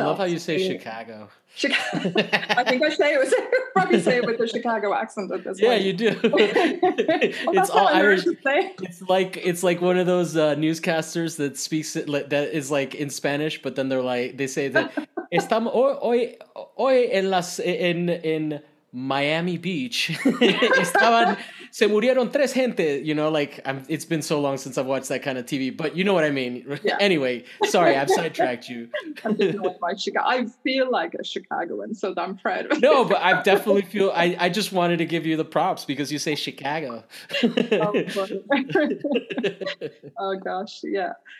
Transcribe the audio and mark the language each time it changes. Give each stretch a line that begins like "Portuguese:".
English: I love how you say Chicago. I think I probably say it with the Chicago accent at this point. Yeah, you do. Well, it's all Irish. It's like one of those newscasters that speaks it, that is like in Spanish, but then they're like, they say that.
Spanish: Estamos hoy en Miami Beach. Estaban, se murieron tres gente.
English: You know, like, it's been so long since I've watched that kind of TV, but you know what I mean. Yeah. Anyway, sorry, I've sidetracked you. I feel like a Chicagoan, so I'm proud of it. No, but I definitely feel, I just wanted to give you the props because you say Chicago. Oh, funny. Oh, gosh, yeah.